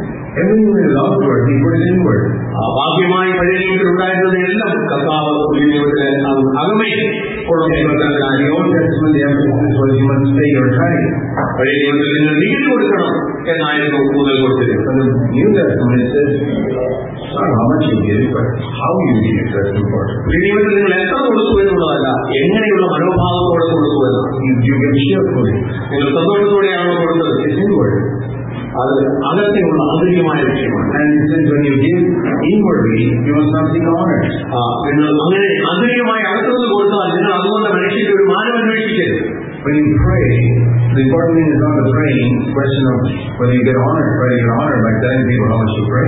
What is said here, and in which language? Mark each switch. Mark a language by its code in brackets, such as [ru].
[en] Everything is outward, he put it inward. [ml] ബാഹ്യമായി പഴയത്തിലുണ്ടായിരുന്നതെല്ലാം കൊടുക്കണം നിങ്ങൾ എത്ര കൊടുത്തു എന്നുള്ളതല്ല, എങ്ങനെയുള്ള മനോഭാവത്തോടെ കൊടുക്കുമെന്നാണ്. നിങ്ങൾ സന്തോഷത്തോടെയാണോ കൊടുത്തത്? അത് അകത്തെയുള്ള ആന്തരികമായ വിഷയമാണ്. നിങ്ങൾ അങ്ങനെ ആന്തരികമായി അകത്തുനിന്ന് കൊടുത്താൽ നിങ്ങൾ അതുകൊണ്ട് മനുഷ്യന്റെ ഒരു മാനം അന്വേഷിക്കരുത്. [en] The important thing is not the praying, it's a question of whether you get honored, whether you get honored by telling people how much you pray.